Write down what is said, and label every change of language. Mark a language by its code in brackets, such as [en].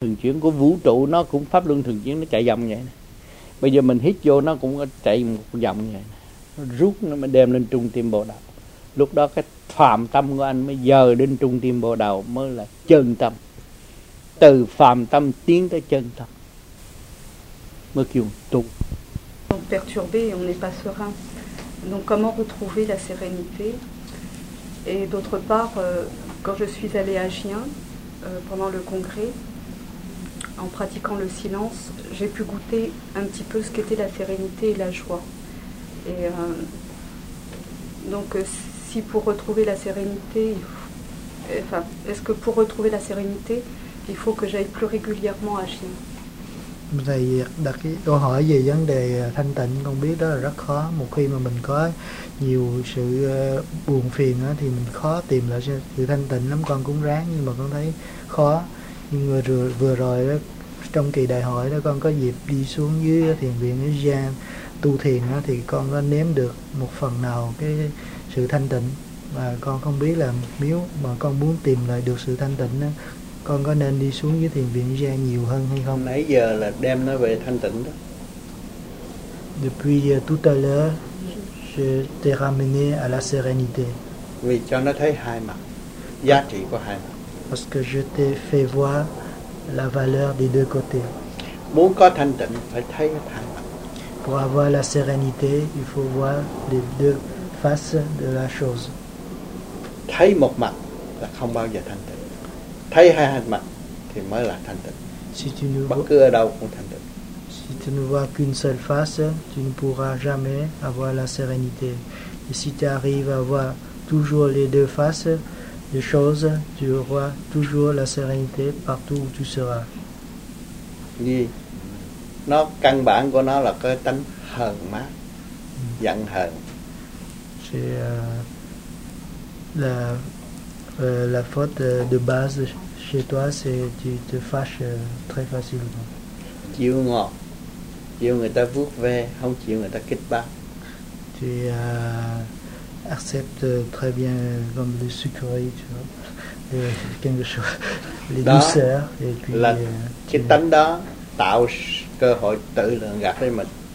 [vi] thường chuyển của vũ trụ nó cũng pháp luân thường chuyển, nó chạy vòng vậy này. Bây giờ mình hít vô nó cũng chạy một vòng vậy này. Nó rút nó mới đem lên trung tâm bộ đầu. Lúc đó cái phàm tâm của anh mới giờ đến trung tâm bộ đầu mới là chân tâm. Từ phàm tâm tiến tới chân tâm mới kêu tu. [fr] On perturbé, on n'est pas serein. Donc comment retrouver la sérénité? Et d'autre part, quand je suis allée à Gien pendant le congrès, en pratiquant le silence, j'ai pu goûter un petit peu ce qu'était la sérénité et la joie. Et donc, si pour retrouver la sérénité, est-ce que pour retrouver la sérénité, il faut que j'aille plus régulièrement à Gien? [vi] Thầy đặt cái câu hỏi về vấn đề thanh tịnh, con biết đó là rất khó. Một khi mà mình có nhiều sự buồn phiền đó, thì mình khó tìm lại sự thanh tịnh lắm. Con cũng ráng nhưng mà con thấy khó. Nhưng mà vừa rồi đó, trong kỳ đại hội đó, con có dịp đi xuống dưới thiền viện ở Giang tu thiền đó, thì con có nếm được một phần nào cái sự thanh tịnh. Và con không biết là nếu mà con muốn tìm lại được sự thanh tịnh đó, con có nên đi xuống với thiền viện gia nhiều hơn hay không? Nãy giờ là đem nó về thanh tịnh đó. [fr] Depuis tout à l'heure, je t'ai ramené à la sérénité. [vi] Vì cho nó thấy hai mặt, giá trị của hai mặt. [fr] Parce que je t'ai fait voir la valeur des deux côtés. [vi] Muốn có thanh tịnh phải thấy hai mặt. [fr] Pour avoir la sérénité, il faut voir les deux faces de la chose. [vi] Thấy một mặt là không bao giờ thanh tịnh. Thấy hai mặt thì mới là thanh tịnh. [fr] Si tu ne [vi] bất cứ ở đâu cũng thanh tịnh. [fr] Si tu ne vois qu'une seule face, tu ne pourras jamais avoir la sérénité. Et si tu arrives à voir toujours les deux faces des choses, tu auras toujours la sérénité partout où tu seras. Gì? [vi] Nó căn bản của nó là cái tánh hờn má, giận hờn. [fr] La faute de base chez toi, c'est tu te fâches très facilement. [vi] Chịu ngọt, chịu người ta vuốt ve, không chịu người ta kích bác. [fr] Tu acceptes très bien comme le sucre, tu vois, quelque chose, les [vi] đó, [fr] douceurs. Et puis, [vi] là cái tánh đó tạo cơ hội tự lượng gạt lấy mình.